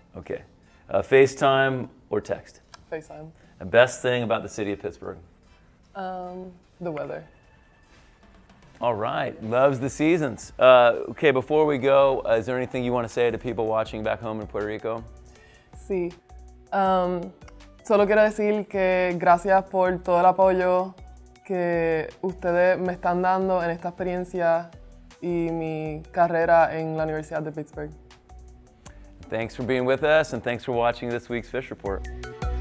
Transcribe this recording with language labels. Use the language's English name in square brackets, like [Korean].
[English] Okay. FaceTime or text? FaceTime. The best thing about the city of Pittsburgh? The weather. All right, loves the seasons. Okay, before we go, is there anything you want to say to people watching back home in Puerto Rico? [Spanish] Sí. Solo quiero decir que gracias por todo el apoyo que ustedes me están dando en esta experiencia y mi carrera en la Universidad de Pittsburgh. [English] Thanks for being with us, and thanks for watching this week's Fish Report.